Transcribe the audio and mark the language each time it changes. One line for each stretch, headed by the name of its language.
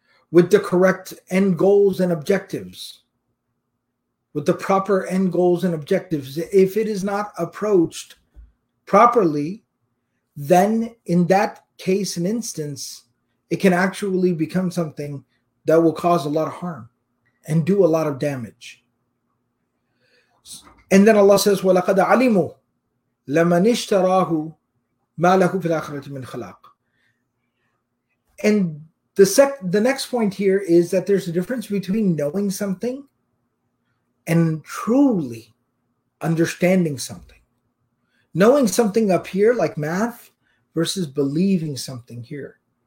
English: with the correct end goals and objectives, with the proper end goals and objectives, if it is not approached properly, then in that case and instance, it can actually become something that will cause a lot of harm and do a lot of damage. And then Allah says,
Arabic: وَلَقَدْ عَلِمُوا لَمَنِ اشْتَرَاهُ مَا لَهُ فِي الْآخِرَةِ مِنْ خَلَاقٍ.
English: And the next point here is that there's a difference between knowing something and truly understanding something. Knowing something up here, like math, versus believing something here.